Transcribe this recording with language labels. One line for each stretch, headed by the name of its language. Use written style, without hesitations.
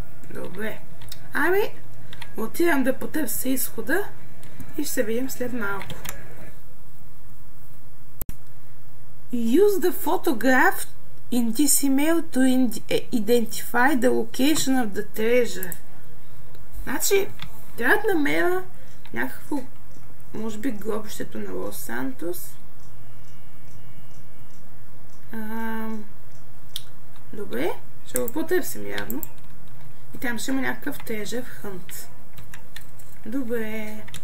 Bulgarian: Добре. Ами, отивам да потърся изхода и ще се видим след малко.
English: Use the photograph in this email to identify the location of the treasure.
Bulgarian: Значи, трябва да намеря някакво, може би, гробището на Лос Сантос. Добре, ще го потърсим явно. И там ще има някакъв
English: treasure hunt.
Bulgarian: Добре.